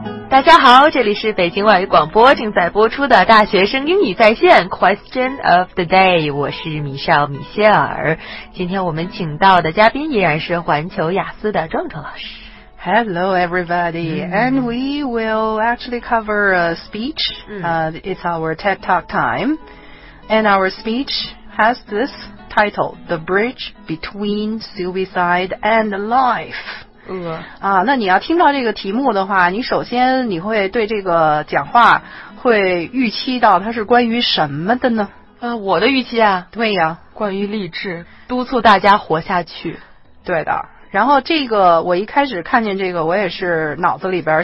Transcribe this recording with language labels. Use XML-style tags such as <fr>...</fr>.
<zh>大家好，这里是北京外语广播正在播出的大学生英语在线 Question of the Day， 我是米少米歇尔。今天我们请到的嘉宾依然是环球雅思的壮壮老师。</zh> <en>Hello everybody,、mm-hmm. and we will actually cover a speech,、mm-hmm. It's our TED Talk time, and our speech has this title, The Bridge Between Suicide and Life. Uh-huh.</en> <zh>啊，那你要听到这个题目的话，你首先你会对这个讲话会预期到它是关于什么的呢？我的预期啊，对呀，关于励志，督促大家活下去。对的。然后这个我一开始看见这个，我也是脑子里边</zh>